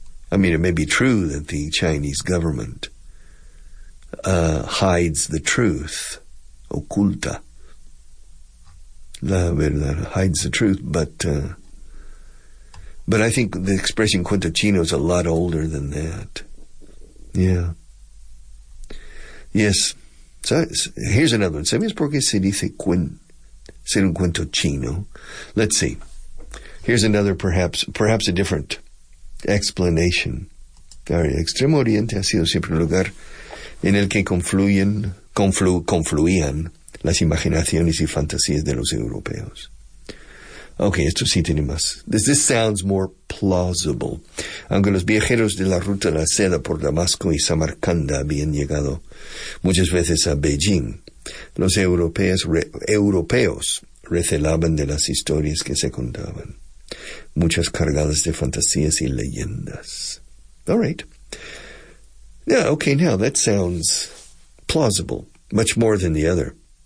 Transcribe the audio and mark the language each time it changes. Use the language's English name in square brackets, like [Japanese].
[English] I mean, it may be true that the Chinese government hides the truth, [Spanish] oculta la verdad, [English] hides the truth, but I think the expression cuento chino is a lot older than that. Yeah. Yes. So here's another one. [Spanish] ¿Sabes por qué se dice ser un cuento chino? [English] Let's see. Here's another, perhaps a different explanation. All right. [Spanish] Extremo Oriente ha sido siempre un lugar en el que confluían las imaginaciones y fantasías de los europeos. [English] Okay, [Spanish] esto sí tiene más. [English] This sounds more plausible. [Spanish] Aunque los viajeros de la ruta de la seda por Damasco y Samarcanda habían llegado muchas veces a Beijing, los europeos recelaban de las historias que se contaban, muchas cargadas de fantasías y leyendas. [English] All right. Yeah, okay, now that sounds plausible, much more than the other.